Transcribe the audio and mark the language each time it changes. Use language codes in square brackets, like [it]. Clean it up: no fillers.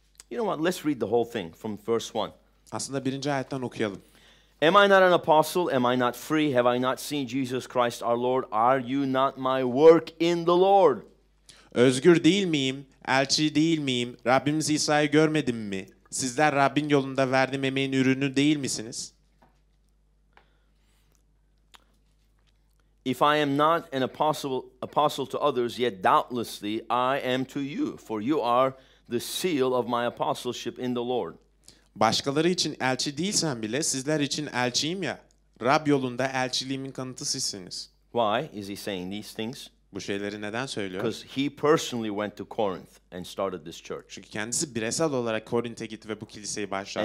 [en] You know what? Let's read the whole thing from verse 1. [tr] Aslında birinci ayetten okuyalım. [en] Am I not an apostle? Am I not free? Have I not seen Jesus Christ our Lord? Are you not my work in the Lord? [tr] Özgür değil miyim? Elçi değil miyim? Rabbimiz İsa'yı görmedim mi? Sizler Rabbin yolunda verdiğim emeğin ürünü değil misiniz? [en] If I am not an apostle to others, yet doubtlessly I am to you, for you are the seal of my apostleship in the Lord. [tr] Başkaları için elçi değilsen bile sizler için elçiyim ya. Rab yolunda elçiliğimin kanıtı sizsiniz. [en] Why is he saying these things? [tr] Bu şeyleri neden söylüyor? [en] Because he personally went to Corinth and started this church. [tr] Çünkü kendisi bireysel olarak Korint'e gitti ve bu kiliseyi başlattı.